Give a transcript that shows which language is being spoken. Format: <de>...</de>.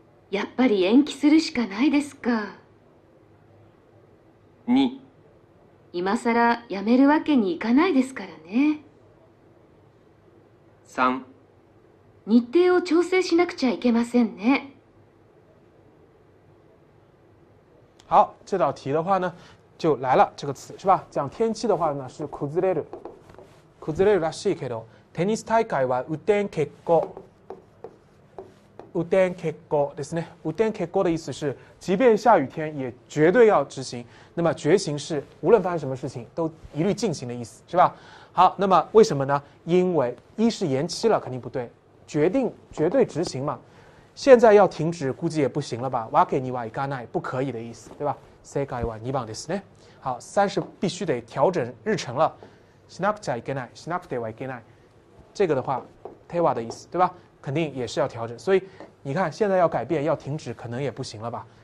<ja>やっぱり延期するしかないですか。 2。今さら辞めるわけにいかないですからね。 3。日程を調整しなくちゃいけませんね。</ja> <zh>好，这道题的话呢，就来了这个词是吧？讲天气的话呢，是</zh> <ja>崩れる。崩れるらしいけど、テニス大会は雨天決行。雨天決行ですね。</ja> <zh>雨天決行的意思是，即便下雨天也绝对要执行。那么决行是无论发生什么事情都一律进行的意思，是吧？好，那么为什么呢？因为一是延期了，肯定不对。决定绝对执行嘛，现在要停止估计也不行了吧？</zh> <ja>わけにはいかない，</ja> <zh>不可以的意思，对吧？</zh> <ja>正解は2番ですね。</ja> <zh>好，三是必须得调整日程了。</zh> <ja>しなくちゃいけない、しなくてはいけない。</ja> <zh>这个的话，手話的意思，对吧？肯定也是要调整。所以你看，现在要改变、要停止，可能也不行了吧？</zh>